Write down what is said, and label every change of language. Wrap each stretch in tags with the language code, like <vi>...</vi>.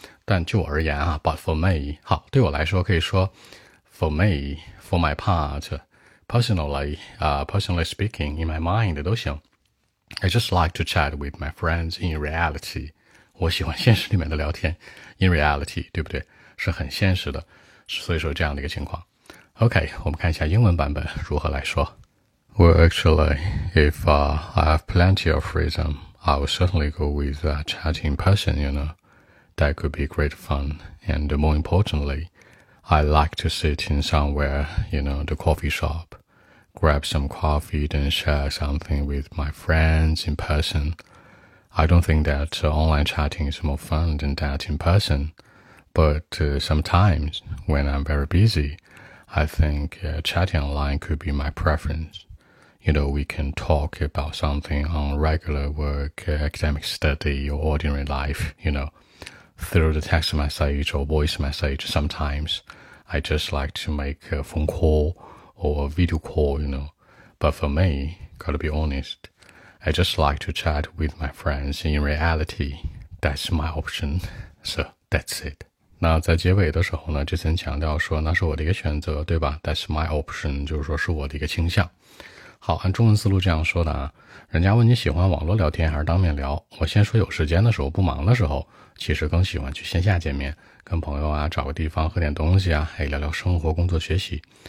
<en>但就我而言啊， but for me，好，对我来说可以说 for me， for my part， personally， personally speaking， in my mind 都行。 I just like to chat with my friends in reality，我喜欢现实里面的聊天。 in reality，对不对？</en> <zh>是很现实的，所以说这样的一个情况。 OK， 我们看一下英文版本如何来说。</zh> <en>Well, actually, if I have plenty of freedom, I will certainly go with a chatting person, you know. That could be great fun. And more importantly, I like to sit in somewhere, you know, the coffee shop, grab some coffee and share something with my friends in person. I don't think that online chatting is more fun than that in person. But sometimes when I'm very busy, I think chatting online could be my preference. You know, we can talk about something on regular work, academic study, or ordinary life, you know. Through the text message or voice message, sometimes I just like to make a phone call or a video call, you know. But for me, gotta be honest, I just like to chat with my friends. In reality, that's my option. So, that's it.</en> <zh>那在结尾的时候呢，就曾强调说那是我的一个选择，对吧？ That's my option, 就是说是我的一个倾向。好，按中文思路这样说的啊，人家问你喜欢网络聊天还是当面聊，我先说有时间的时候不忙的时候，其实更喜欢去线下见面，跟朋友啊找个地方喝点东西啊，还聊聊生活工作学习。</zh>